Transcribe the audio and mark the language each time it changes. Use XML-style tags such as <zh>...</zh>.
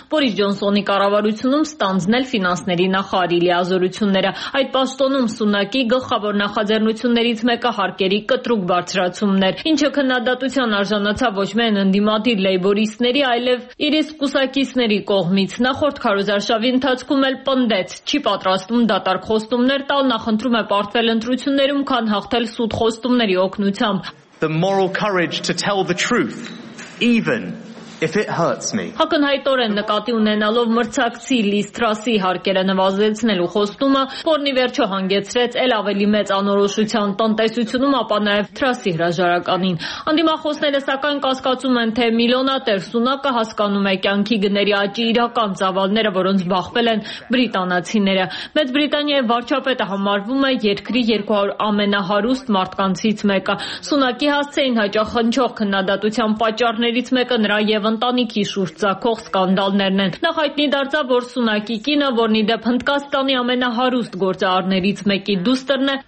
<hy>Բորիս Ջոնսոնի կառավարությունից ստանձնել ֆինանսների նախարարի լիազորությունները։ Այդ պաշտոնում Սունակի գլխավոր նախաձեռնություններից մեկը հարկերի կտրուկ բարձրացումներ, ինչը քննադատության արժանացավ ոչ միայն ընդդիմադիր լեյբորիստների, այլև իր սկուսակիցների կողմից։ Նախորդ քարոզարշավի ընթացքում էլ պնդեց, չի պատրաստվում դատարկ խոստումներ տալ, նախընտրում է պարտվել ընտրություններում, քան հաղթել սուտ խոստումների օգնությամբ։</hy> <en>The moral courage to tell the truth, even if it hurts me.</en> <hy>Հակնհայտորեն նկատի ունենալով մրցակցի Liz Truss-ի հարկերը նվազեցնելու խոստումը, որնի վերջո հանգեցրեց էլ ավելի մեծ անորոշության տնտեսությունում, ապա նաև Truss-ի հրաժարականին։ Անդիմախոսները սակայն կասկածում են, թե միլիոնատեր Սունակը հասկանում է կյանքի գների աճի իրական ծավալները, որոնց բախվել են բրիտանացիները։ Մեծ Բրիտանիայի վարչապետը համարվում է երկրի 200 ամենահարուստ մարդկանցից մեկը։ Սունակի հասցեին հաջող խնճող քննադատության պատճառներից մեկը նրա և ընտանիքի շուրջ ցակող սկանդալներն են։ Նախ հայտնի դարձավ, որ Սունակի կինը, որնի դեպ Հնդկաստանի ամենահարուստ գործարարներից մեկի դուստրն է,</hy>